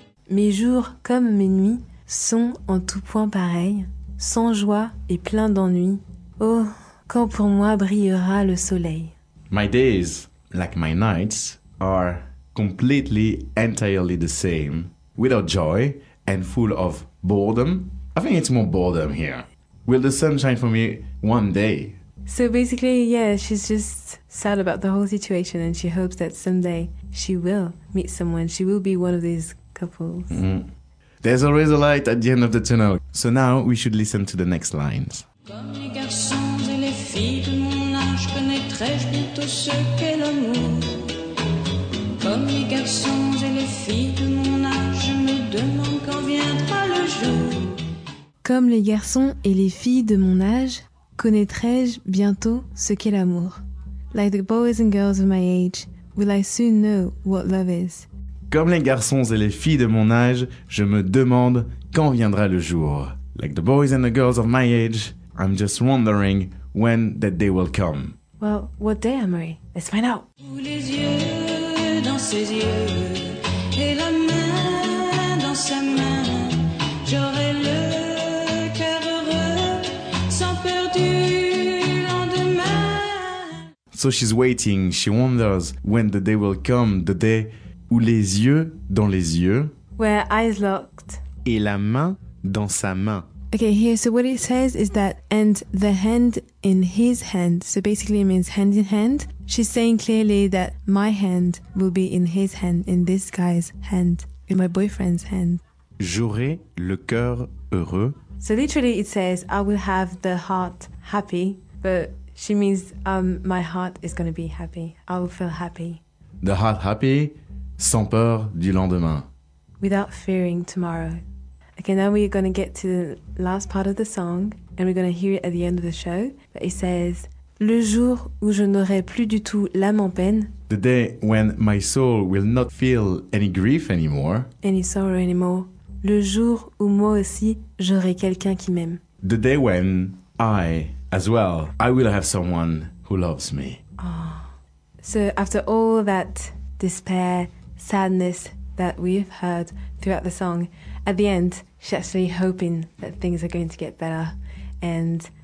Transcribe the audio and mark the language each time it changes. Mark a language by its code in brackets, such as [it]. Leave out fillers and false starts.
[fr] Mes jours comme mes nuits sont en tout point pareils, sans joie et plein d'ennui. Oh, quand pour moi brillera le soleil. [en] My days, like my nights, are completely, entirely the same, without joy and full of boredom. I think it's more boredom here. Will the sun shine for me one day? So basically, yeah, she's just sad about the whole situation and she hopes that someday she will meet someone. She will be one of these couples. There's always a light at the end of the tunnel. So now we should listen to the next lines. [fr] Comme les garçons et les filles de mon âge connaîtraient bientôt ce qu'est l'amour. Comme les garçons et les filles de mon âge, je me demande quand viendra le jour. Comme les garçons et les filles de mon âge connaîtraient bientôt ce qu'est l'amour. [en] Like the boys and girls of my age, will I soon know what love is? [fr] Comme les garçons et les filles de mon âge, je me demande quand viendra le jour. [en] Like the boys and the girls of my age, I'm just wondering when that day will come. Well, what day, Amory? Let's find out. [fr] Tous les yeux dans ses yeux, et la main dans sa main, j'aurai le cœur heureux, sans perdu lendemain. [en] So she's waiting, she wonders when the day will come, the day où les yeux dans les yeux. Where eyes locked. [fr] Et la main dans sa main. [en] Okay, here, so what it says is that, and the hand in his hand. So basically it means hand in hand. She's saying clearly that my hand will be in his hand, in this guy's hand, in my boyfriend's hand. [fr] J'aurai le cœur heureux. [en] So literally it says, I will have the heart happy. But she means my heart is going to be happy. I will feel happy. [fr] The heart happy. Sans peur du lendemain. [en] Without fearing tomorrow. Okay, now we're going to get to the last part of the song and we're going to hear it at the end of the show. [fr] But it says, le jour où je n'aurai plus du tout l'âme en peine. [en] The day when my soul will not feel any grief anymore. Any sorrow anymore. [fr] Le jour où moi aussi j'aurai quelqu'un qui m'aime. [en] The day when I, as well, I will have someone who loves me. Oh. So after all that despair, sadness that we've heard throughout the song, at the end, she's actually hoping that things are going to get better and